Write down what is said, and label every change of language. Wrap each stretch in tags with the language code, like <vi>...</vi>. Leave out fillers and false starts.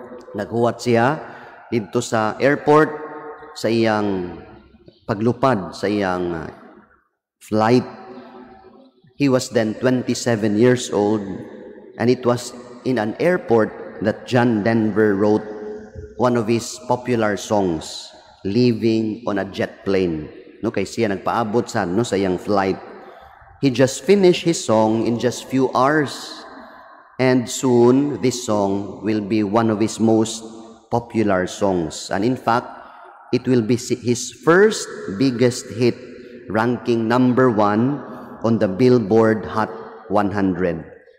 <ceb>Naghuwat siya dito sa airport sa iyang paglupad sa iyang flight.</ceb> <en>He was then 27 years old, and it was in an airport that John Denver wrote one of his popular songs, Living on a Jet Plane.</en> <ceb>No, kay siya nagpaabot sa no sa iyang flight.</ceb> <en>He just finished his song in just few hours, and soon this song will be one of his most popular songs, and in fact it will be his first biggest hit, ranking number one on the Billboard Hot 100.</en>